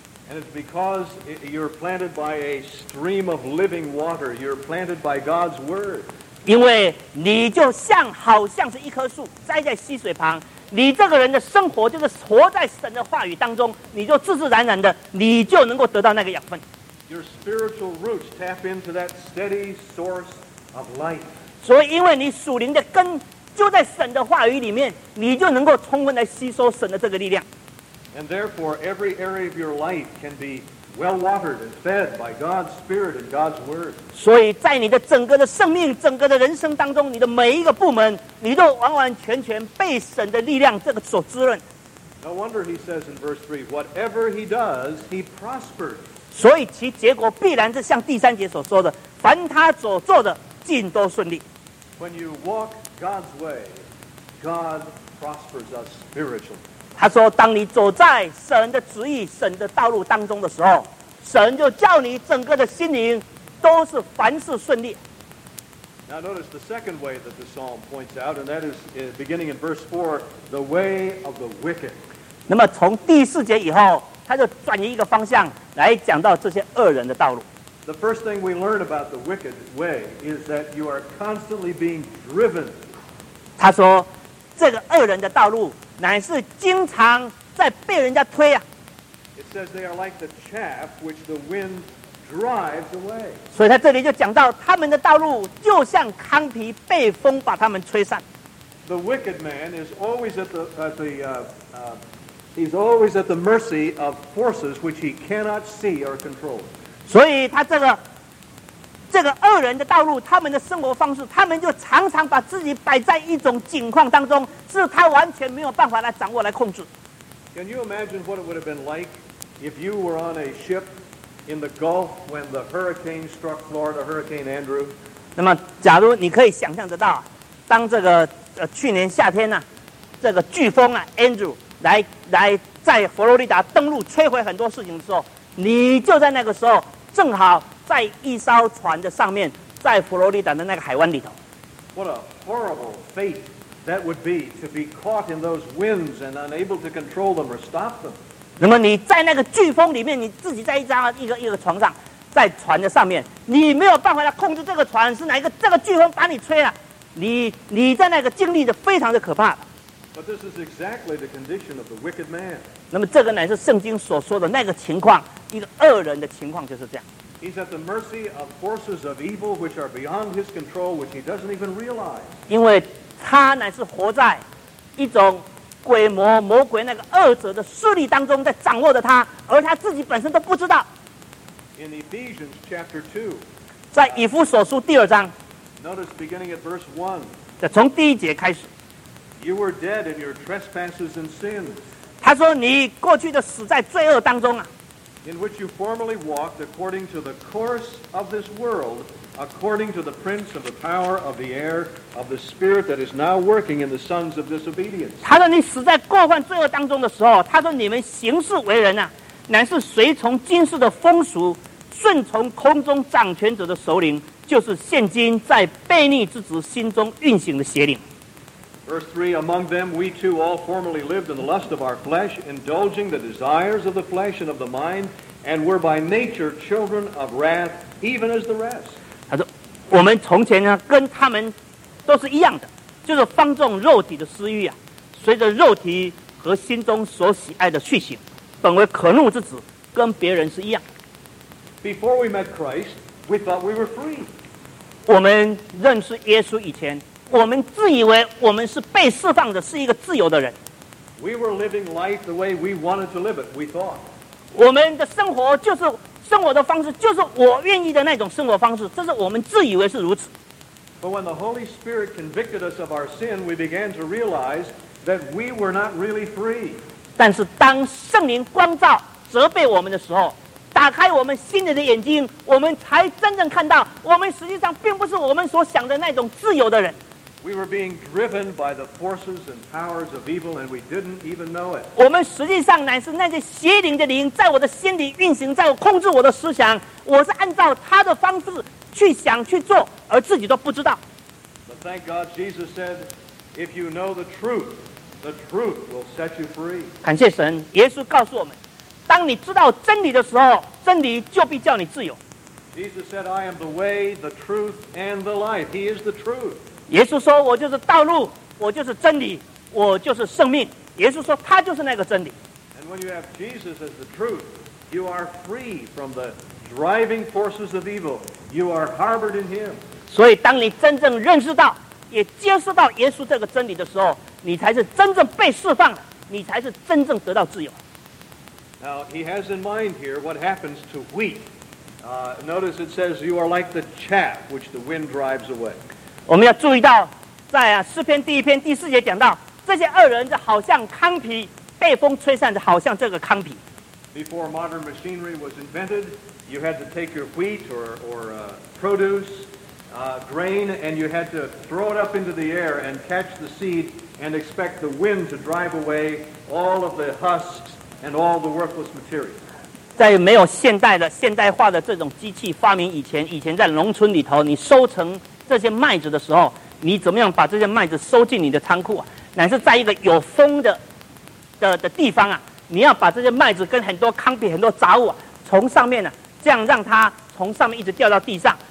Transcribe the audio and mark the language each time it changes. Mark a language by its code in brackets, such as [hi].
[en] And it's because you're planted by a stream of living water. You're planted by God's word. [zh] 因为你就像好像是一棵树栽在溪水旁，你这个人的生活就是活在神的话语当中，你就自自然然的，你就能够得到那个养分。 [en] Your spiritual roots tap into that steady source of life. [zh] 所以，因为你属灵的根就在神的话语里面，你就能够充分来吸收神的这个力量。 [en] And therefore, every area of your life can be. Well watered and fed by God's Spirit and God's Word. [zh] 所以在你的整个的生命、整个的人生当中，你的每一个部门，你都完完全全被神的力量这个所滋润。 [en] No wonder he says in verse 3, whatever he does, he prospers. [zh] 所以其结果必然是像第三节所说的，凡他所做的，尽都顺利。 [en] When you walk God's way, God prospers us spiritually. [zh] 他说，当你走在神的旨意、神的道路当中的时候，神就叫你整个的心灵都是凡事顺利。 [en] Now notice the second way that the psalm points out, and that is beginning in verse 4, the way of the wicked. [zh] 那么从第四节以后，他就转移一个方向来讲到这些恶人的道路。 [en] The first thing we learn about the wicked way is that you are constantly being driven. [zh] 他说，这个恶人的道路乃是经常在被人家推啊。 [en] It says they are like the chaff which the wind drives away. [zh] 所以他这里就讲到他们的道路就像糠皮被风把他们吹散。 [en] The wicked man is always at the mercy of forces which he cannot see or control. [zh] 所以他这个恶人的道路，他们的生活方式，他们就常常把自己摆在一种境况当中，是他完全没有办法来掌握、来控制。 [en] Can you imagine what it would have been like if you were on a ship in the Gulf when the hurricane struck Florida, Hurricane Andrew? [zh] 那么，假如你可以想象得到，当这个去年夏天呢、啊，这个飓风啊 Andrew 来在佛罗里达登陆、摧毁很多事情的时候，你就在那个时候正好。在一艘船的上面，在佛罗里达的那个海湾里头。 [en] What a horrible fate that would be to be caught in those winds and unable to control them or stop them. [zh] 那么你在那个飓风里面，你自己在一个船上，在船的上面，你没有办法来控制这个船，是哪一个这个飓风把你吹了？你在那个经历的非常的可怕。 [en] But this is exactly the condition of the wicked man. [zh] 那么这个乃是圣经所说的那个情况，一个恶人的情况就是这样。 [en] He's at the mercy of forces of evil which are beyond his control, which he doesn't even realize. [zh] 因为他乃是活在一种鬼魔、魔鬼那个恶者的势力当中，在掌握着他，而他自己本身都不知道。 [en] In Ephesians chapter 2, [zh] 在以弗所书第二章 [en] notice beginning at verse 1, [zh] 在从第一节开始 [en] you were dead in your trespasses and sins. [zh] 他说你过去的死在罪恶当中啊。 [en] In which you formerly walked according to the course of this world, according to the prince of the power of the air, of the spirit that is now working in the sons of disobedience. [zh] 他说你死在过犯罪恶当中的时候，他说你们行事为人啊，乃是随从今世的风俗，顺从空中掌权者的首领，就是现今在悖逆之子心中运行的邪灵。 [en] Verse 3, among them we too all formerly lived in the lust of our flesh, indulging the desires of the flesh and of the mind, and were by nature children of wrath, even as the rest. [zh] 他说，我们从前呢，跟他们都是一样的，就是放纵肉体的私欲啊，随着肉体和心中所喜爱的去行，本为可怒之子，跟别人是一样的。 [en] Before we met Christ, we thought we were free. [zh] 我们认识耶稣以前，我们自以为我们是被释放的，是一个自由的人。 [en] We were living life the way we wanted to live it, we thought. [zh] 我们的生活就是生活的方式，就是我愿意的那种生活方式，这是我们自以为是如此。 [en] But when the Holy Spirit convicted us of our sin, we began to realize that we were not really free. [zh] 但是当圣灵光照责备我们的时候，打开我们心里的眼睛，我们才真正看到，我们实际上并不是我们所想的那种自由的人。 [en] We were being driven by the forces and powers of evil, and we didn't even know it. [zh] 我们实际上乃是那些邪灵的灵，在我的心里运行，在我控制我的思想。我是按照他的方式去想去做，而自己都不知道。 [en] But thank God, Jesus said, "If you know the truth will set you free." [zh] 感谢神，耶稣告诉我们，当你知道真理的时候，真理就必叫你自由。 [en] Jesus said, "I am the way, the truth, and the life." He is the truth. [zh] 耶稣说，我就是道路，我就是真理，我就是生命。耶稣说，他就是那个真理。 [en] And when you have Jesus as the truth, you are free from the driving forces of evil. You are harbored in Him. [zh] 所以，当你真正认识到，也接受到耶稣这个真理的时候，你才是真正被释放了，你才是真正得到自由。 [en] Now, he has in mind here what happens to wheat. Notice it says, you are like the chaff which the wind drives away. [zh] 我们要注意到，在诗篇第一篇第四节讲到，这些恶人就好像糠皮，被风吹散的，好像这个糠皮。 [en] Before modern machinery was invented, you had to take your wheat or produce grain and you had to throw it up into the air and catch the seed and expect the wind to drive away all of the husks and all the worthless material. [zh] 在没有现代化的这种机器发明以前在农村里头，你收成这些麦子的时候，你怎么样把这些麦子收进你的仓库啊？乃是在一个有风的地方啊，你要把这些麦子跟很多糠秕、很多杂物啊，从上面呢、啊，这样让它从上面一直掉到地上。